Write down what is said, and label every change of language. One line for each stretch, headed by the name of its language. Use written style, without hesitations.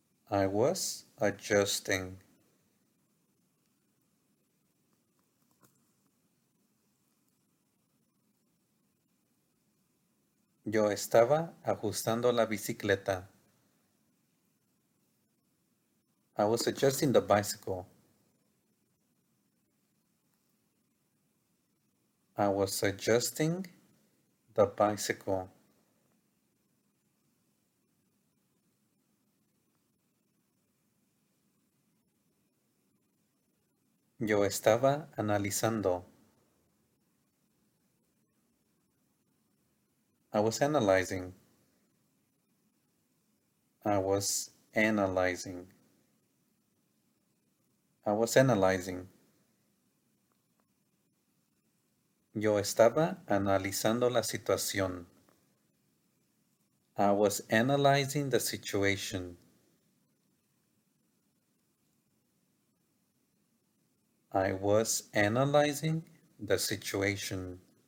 English: I was adjusting.
Spanish: Yo estaba ajustando la bicicleta.
English: I was adjusting the bicycle. I was adjusting the bicycle.
Spanish: Yo estaba analizando.
English: I was analyzing. I was analyzing. I was analyzing.
Spanish: Yo estaba analizando la situación.
English: I was analyzing the situation. I was analyzing the situation.